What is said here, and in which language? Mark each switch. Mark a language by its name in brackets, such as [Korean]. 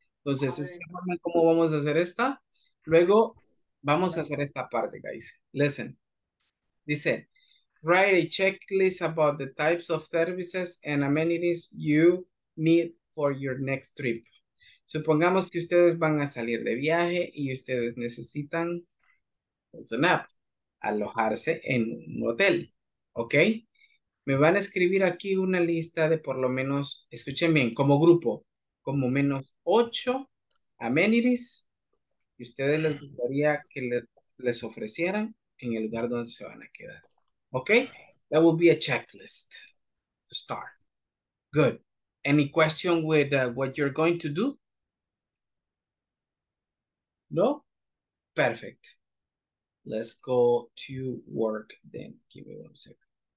[Spanish] Entonces, ¿es la forma como vamos a hacer esta? Luego, vamos a hacer esta parte, [English] guys. Listen. [Spanish] Dice, [English] write a checklist about the types of services and amenities you need for your next trip. [Spanish] Supongamos que ustedes van a salir de viaje y ustedes necesitan, [English] listen up, [Spanish] alojarse en un hotel. ¿Ok? Me van a escribir aquí una lista de por lo menos, escuchen bien, como grupo, como menos 8 amenities que ustedes les gustaría que les ofrecieran en el lugar donde se van a quedar. [English] Okay? That will be a checklist to start. Good. Any question with what you're going to do? No? Perfect. Let's go to work then. Give me 1 second.